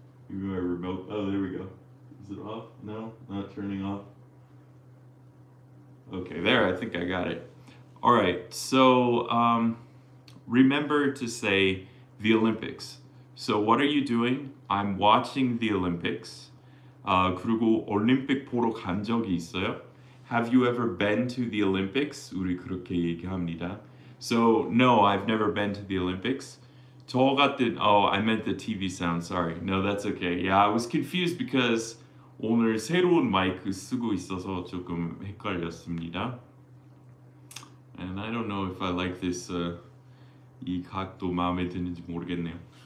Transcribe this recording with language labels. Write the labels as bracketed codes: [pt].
[en] Maybe my remote. Oh, there we go. Is it off? No, not turning off. Okay, there, I think I got it. All right, so remember to say the Olympics. So what are you doing? I'm watching the Olympics. [ko] 그리고 올림픽 보러 간 적이 있어요? [en] Have you ever been to the Olympics? [ko] 우리 그렇게 얘기합니다. [en] So, no, I've never been to the Olympics. [ko] 저 같은, [en] oh, I meant the TV sound, sorry. No, that's okay. Yeah, I was confused because [ko] 오늘 새로운 마이크 쓰고 있어서 조금 헷갈렸습니다. [en] And I don't know if I like this, [ko] 이 각도 마음에 드는지 모르겠네요.